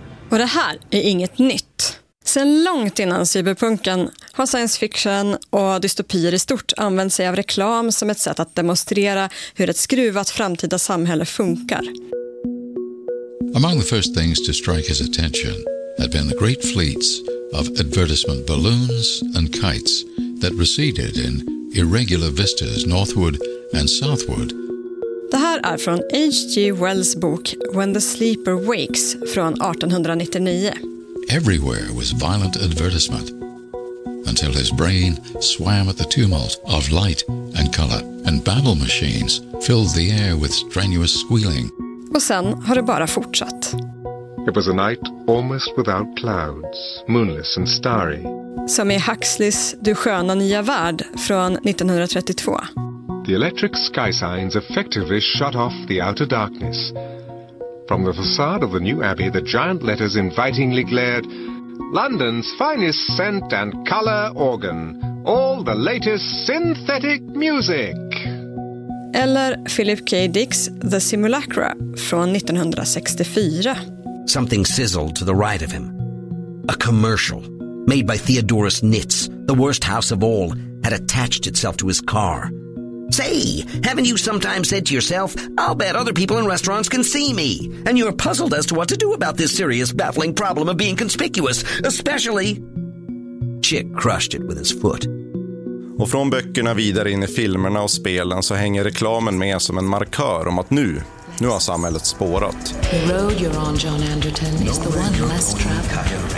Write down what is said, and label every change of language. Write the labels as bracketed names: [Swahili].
[Swedish] Och det här är inget nytt. Sen långt innan cyberpunken har science fiction och dystopier i stort använt sig av reklam som ett sätt att demonstrera hur ett skruvat framtida samhälle funkar. [English] Among the first things to strike his attention had been the great fleets of advertisement balloons and kites that receded in irregular vistas northward and southward. [Swedish] Det här är från H.G. Wells bok When the Sleeper Wakes från 1899. [English] Everywhere was violent advertisement until his brain swam at the tumult of light and color and babble machines filled the air with strenuous squealing. [Swedish] Och sen har det bara fortsatt. [English] It was a night almost without clouds, moonless and starry. [Swedish] Som i Huxleys Du sköna nya värld från 1932. [English] The electric sky signs effectively shut off the outer darkness. From the facade of the new abbey the giant letters invitingly glared. London's finest scent and color organ. All the latest synthetic music. [Swedish] Eller [English] Philip K. [Swedish] Dick's The Simulacra från 1964. [English] Something sizzled to the right of him. A commercial. Made by Theodorus Nitz, the worst house of all, had attached itself to his car. Say, haven't you sometimes said to yourself, I'll bet other people in restaurants can see me, and you're puzzled as to what to do about this serious, baffling problem of being conspicuous, especially... Chick crushed it with his foot. [Swedish] Och från böckerna vidare in i filmerna och spelen så hänger reklamen med som en markör om att nu har samhället spårat. [English] The road you're on, John Anderton, is the one less traveled.